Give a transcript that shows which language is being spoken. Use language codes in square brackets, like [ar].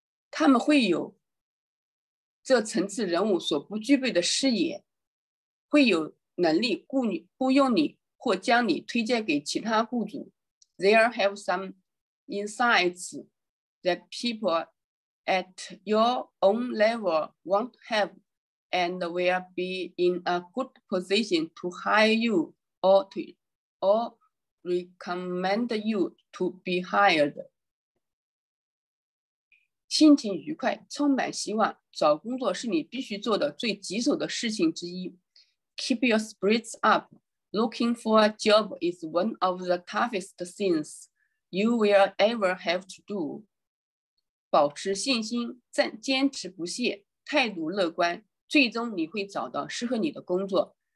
[zh] 他们会有这层次人物所不具备的视野，会有能力雇佣你或将你推荐给其他雇主。 [en] There have some insights that people at your own level won't have and will be in a good position to hire you or recommend you to be hired. [zh] 心情愉快，充满希望。找工作是你必须做的最棘手的事情之一。 [en] Keep your spirits up. Looking for a job is one of the toughest things you will ever have to do. [zh] 保持信心，坚持不懈，态度乐观，最终你会找到适合你的工作。